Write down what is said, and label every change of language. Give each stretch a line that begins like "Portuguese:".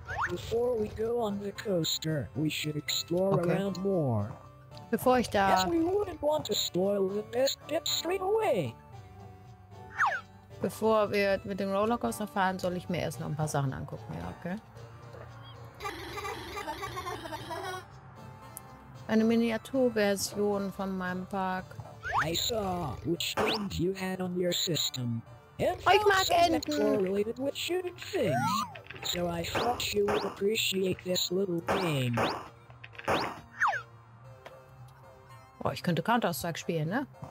English: Before we go on the coaster, we should explore around more.
German: Bevor ich da...
English: Yes, we wouldn't want to spoil the best bit straight away.
German: Bevor wir mit dem Rollercoaster fahren, soll ich mir erst noch ein paar Sachen angucken, ja, okay? Eine Miniaturversion von meinem Park.
English: I saw which things you had on your system.
German: Ich mag Enten!
English: Correlated with shooting things. So I thought you would appreciate this little game.
German: Oh, ich könnte Counter-Strike spielen, ne?